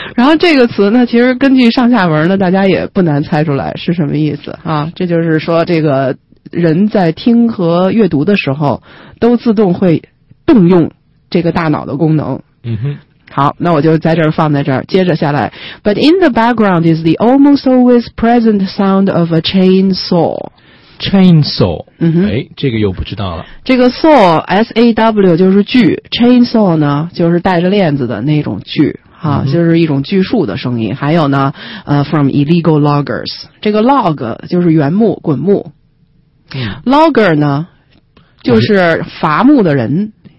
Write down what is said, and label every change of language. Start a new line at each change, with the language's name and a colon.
Chinese: 然后这个词呢，其实根据上下文呢，大家也不难猜出来是什么意思啊。这就是说，这个人在听和阅读的时候都自动会动用这个大脑的功能。嗯哼，好，那我就在这儿放在这儿，接着下来。
English: But in the background is the almost always present sound of a chainsaw。 Chainsaw，嗯哼，
Chinese: 哎，这个又不知道了。这个 saw S A W 就是锯 ，chainsaw 呢就是带着链子的那种锯，哈、啊嗯，就是一种锯树的声音。还有呢，
English: from illegal loggers，
Chinese: 这个 log 就是原木、滚木、logger 呢就是伐木的人。